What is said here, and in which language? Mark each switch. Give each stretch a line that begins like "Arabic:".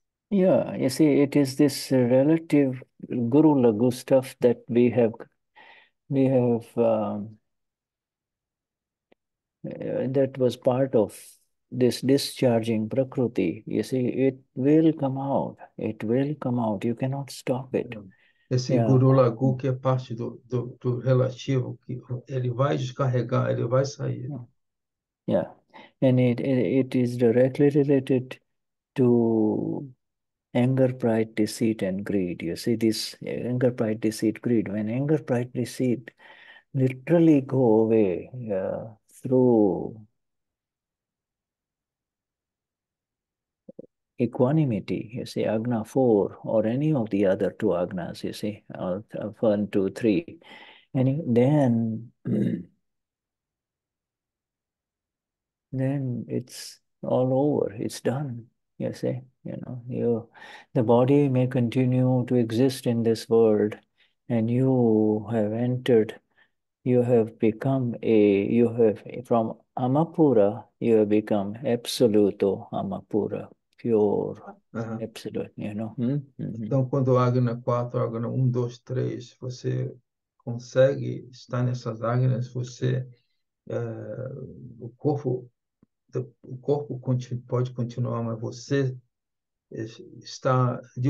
English: Yeah, you see, it is this relative guru lagu stuff that that was part of this discharging prakriti. You see, it will come out. It will come out. You cannot stop it.
Portuguese: Esse guru lagu, que é parte do relativo, que ele vai descarregar, ele vai sair.
English: And it is directly related to anger, pride, deceit, and greed. You see this anger, pride, deceit, greed. When anger, pride, deceit literally go away through equanimity, you see, Agna 4 or any of the other two Agnas, you see, 1, 2, 3, and then it's all over, it's done. You see, the body may continue to exist in this world, and you have entered, you have from Amapura, you have become absoluto Amapura, pure, absolute,
Portuguese: Então, quando Agna 4, Agna 1, 2, 3, você consegue estar nessas Agnas, você o corpo pode continuar, mas você está.